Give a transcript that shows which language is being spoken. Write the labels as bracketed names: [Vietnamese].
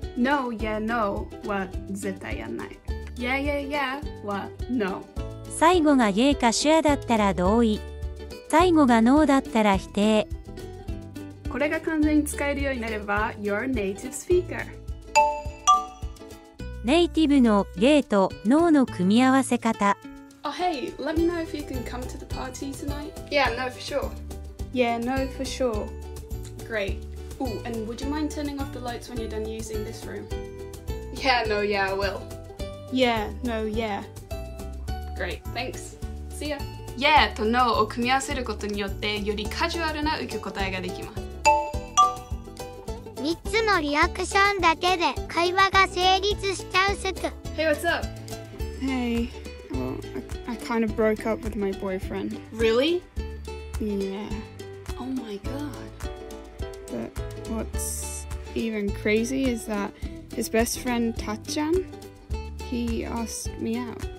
[Japanese] No, yeah, No は絶対やんない。Yeah, yeah, yeah は No。最後が Yeah か Sure だったら同意、最後がノーだったら否定。これが完全に使えるようになれば [English] You're a native speaker。 [Japanese] ネイティブのゲーとノーの組み合わせ方。 [English] Oh hey, let me know if you can come to the party tonight. Yeah, no, for sure. Yeah, no, for sure. Great. Ooh, and would you mind turning off the lights when you're done using this room? Yeah, no, yeah, I will. Yeah, no, yeah. Great, thanks. See ya。 [Japanese] Yeah と No を組み合わせることによってよりカジュアルな受け答えができます。 3つのリアクションだけで会話が成立しちゃう説。 [English] Hey, what's up? Hey, well, I kind of broke up with my boyfriend. Really? Yeah. Oh my god. But what's even crazy is that his best friend Tachan, he asked me out.